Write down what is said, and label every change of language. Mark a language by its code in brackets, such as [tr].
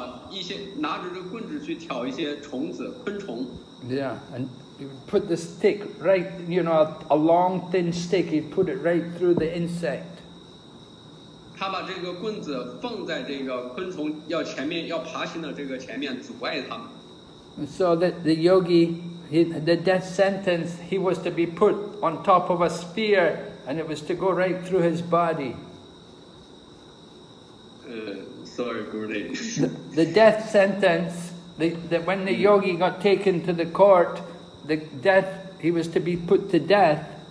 [zh] 一些拿着这棍子去挑一些虫子、昆虫。 [en] Yeah, and you put the stick right, you know, a long thin stick, you put it right through the insect. [zh] 他把这个棍子放在这个昆虫要爬行的这个前面，阻碍他们。 [en] So that the yogi, the death sentence, he was to be put on top of a spear. And it was to go right through his body. Sorry, Gurudev. The death sentence, when the yogi got taken to the court, he was to be put to death.